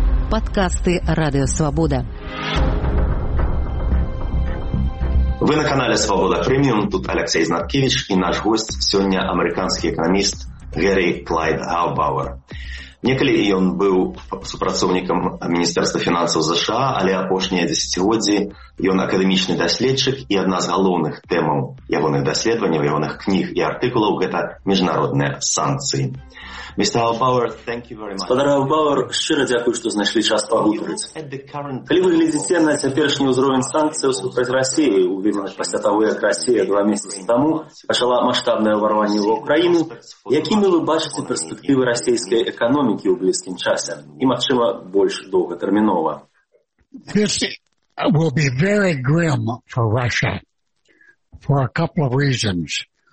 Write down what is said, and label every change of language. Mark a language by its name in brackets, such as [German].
[Russian] подкасты «Радио Свобода». Вы на канале «Свобода Премиум». Тут Алексей Знаткевич и наш гость сегодня американский экономист Гэри Клайд Гаубауэр. [Belarusian] Некалі ён быў супрацоўнікам Міністэрства фінансаў ЗША, але апошнія дзесяцігоддзі ён акадэмічны даследчык, і адна з галоўных тэмаў ягоных даследаванняў, ягоных кніг і артыкулаў – гэта міжнародныя санкцыі. [English] Mr. Гаубауэр, thank you very much. [Belarusian] Спадар Гаубауэр, шчыра дзякую, што знайшлі час пагутарыць. Калі вы глядзіце на цяперашні ўзровень санкцыяў супраць Расіі, у выніку пасля таго, як Расія 2 месяцы таму пачала маштабнае ўварванне ў Украіну, якімі вы бачыце перспектывы расійскай эканомікі ў блізкім часе і, магчыма, больш доўгатэрмінова? [English] This will be very grim for Russia for a couple of reasons.